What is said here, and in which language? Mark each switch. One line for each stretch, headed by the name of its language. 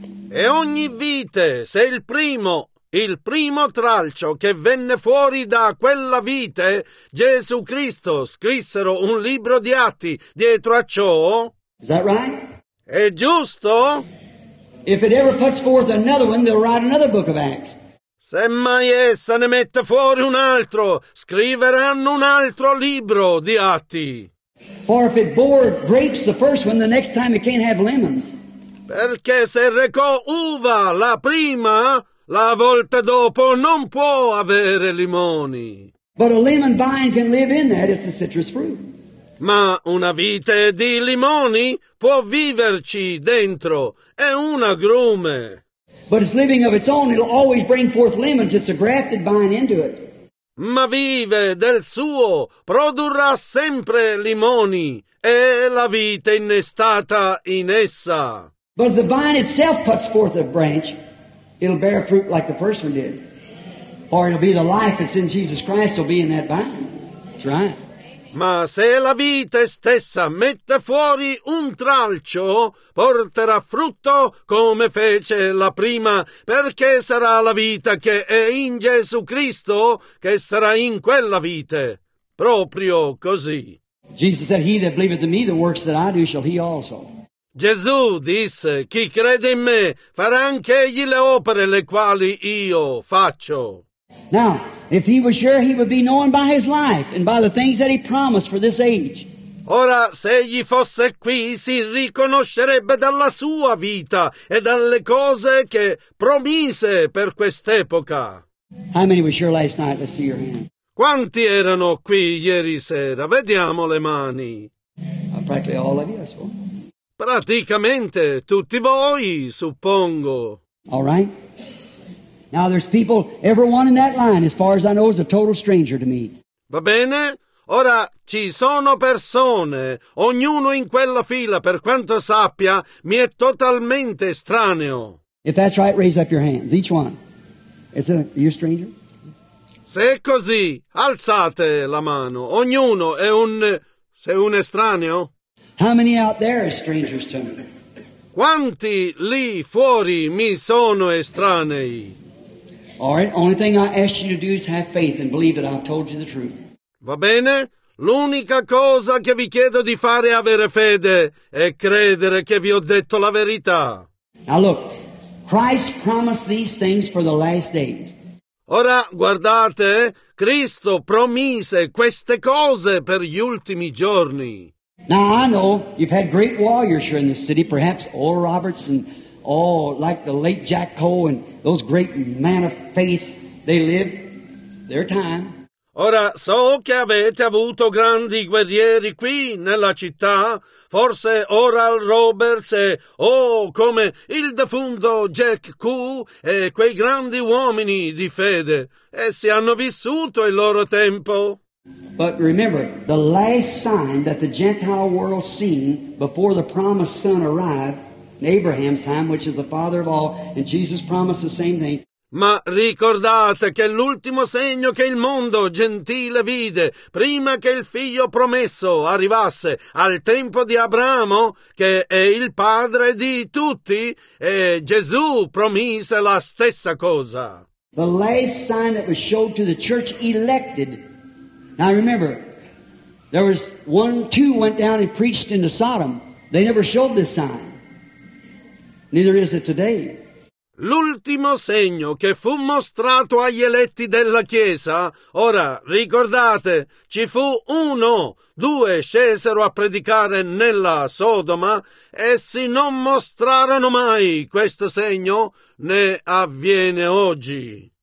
Italian: E ogni vite, se il primo tralcio che venne fuori da quella vite, Gesù Cristo, scrissero un libro di atti dietro a ciò.
English: Is that right?
Italian: È giusto?
English: If it ever puts forth another one, they'll write another book of Acts.
Italian: Se mai essa ne mette fuori un altro, scriveranno un altro libro di Atti.
English: For if it bore grapes the first one, the next time it can't have lemons.
Italian: Perché se recò uva la prima, la volta dopo non può avere limoni.
English: But a lemon vine can live in that, it's a citrus fruit.
Italian: Ma una vite di limoni può viverci dentro, è un agrume.
English: But it's living of its own, it'll always bring forth lemons, it's a grafted vine into it.
Italian: Ma vive del suo, produrrà sempre limoni, è la vite innestata in essa.
English: But if the vine itself puts forth a branch, it'll bear fruit like the first one did. For it'll be the life that's in Jesus Christ will be in that vine. That's right.
Italian: Ma se la vite stessa mette fuori un tralcio, porterà frutto come fece la prima, perché sarà la vita che è in Gesù Cristo che sarà in quella vite. Proprio così.
English: Jesus said, "He that believeth in me, the works that I do shall he also."
Italian: Gesù disse, chi crede in me farà anche egli le opere le quali io faccio.
English: Now, if he was sure, he would be known by his life and by the things that he promised for this age.
Italian: Ora, se egli fosse qui, si riconoscerebbe dalla sua vita e dalle cose che promise per quest'epoca.
English: How many were sure last night? Let's see your hand.
Italian: Quanti erano qui ieri sera? Vediamo le mani.
English: Practically all of you, I suppose.
Italian: Praticamente tutti voi, suppongo.
English: All right. Now there's people, everyone in that line, as far as I know, is a total stranger to me.
Italian: Va bene. Ora ci sono persone, ognuno in quella fila, per quanto sappia, mi è totalmente estraneo.
English: If that's right, raise up your hands, each one. Is it, are you a stranger?
Italian: Se è così, alzate la mano. Ognuno è un, se un estraneo.
English: How many out there are strangers to me?
Italian: Quanti lì fuori mi sono estranei?
English: All right, only thing I ask you to do is have faith and believe that I've told you the truth.
Italian: Va bene? L'unica cosa che vi chiedo di fare è avere fede e credere che vi ho detto la verità.
English: Now look, Christ promised these things for the last days.
Italian: Ora, guardate, Cristo promise queste cose per gli ultimi giorni.
English: Now I know you've had great warriors here in this city, perhaps Oral Roberts and all, like the late Jack Cole and those great men of faith, they lived their time.
Italian: Ora so che avete avuto grandi guerrieri qui nella città, forse Oral Roberts e, oh, come il defunto Jack Cole e quei grandi uomini di fede, essi hanno vissuto il loro tempo.
English: But remember, the last sign that the Gentile world seen before the promised son arrived in Abraham's time, which is the father of all, and Jesus promised the same thing.
Italian: Ma ricordate che l'ultimo segno che il mondo gentile vide prima che il figlio promesso arrivasse al tempo di Abramo, che è il padre di tutti, e Gesù promise la stessa cosa.
English: The last sign that was showed to the church elected. Now remember, there was one, two went down and preached into Sodom. They never showed this sign. Neither is it today.
Italian: L'ultimo segno che fu mostrato agli eletti della Chiesa, ora ricordate, ci fu uno, due scesero a predicare nella Sodoma, essi non mostrarono mai questo segno, né avviene oggi.